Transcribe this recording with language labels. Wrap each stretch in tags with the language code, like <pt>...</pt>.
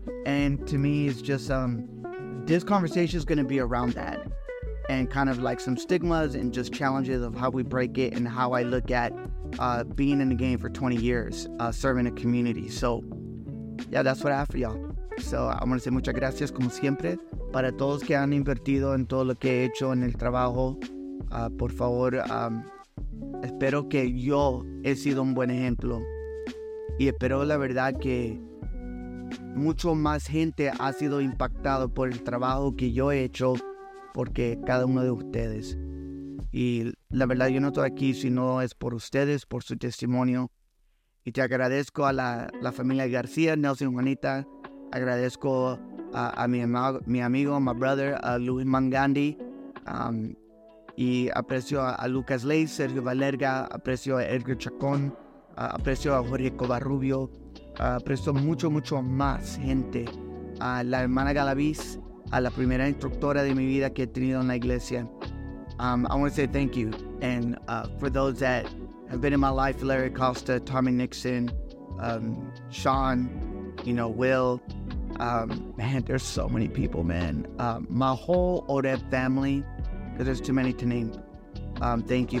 <en>And to me, it's just, this conversation is going to be around that. And kind of like some stigmas and just challenges of how we break it and how I look at being in the game for 20 years, serving a community. So, yeah, that's what I have for y'all. So, I want to say</en> <es>muchas gracias, como siempre. Para todos que han invertido en todo lo que he hecho en el trabajo, por favor, Espero que yo he sido un buen ejemplo. Y espero la verdad que mucho más gente ha sido impactado por el trabajo que yo he hecho, porque cada uno de ustedes. Y la verdad, yo no estoy aquí si no es por ustedes, por su testimonio. Y te agradezco a la familia García, Nelson y Juanita. Agradezco a mi amigo,</es> <en>my brother,</en> <es>a Luis Mangandi. Y aprecio a Lucas Ley, Sergio Valerga, aprecio a Edgar Chacón, aprecio a Jorge Covarrubio, aprecio mucho, mucho más gente. A la hermana Galaviz, a la primera instructora de mi vida que he tenido en la iglesia.</es> <en>I want to say thank you. And for those that have been in my life, Larry Costa, Tommy Nixon, Sean, you know, Will. Man, there's so many people, man. My whole Oreb family, because there's too many to name. Thank you.</en>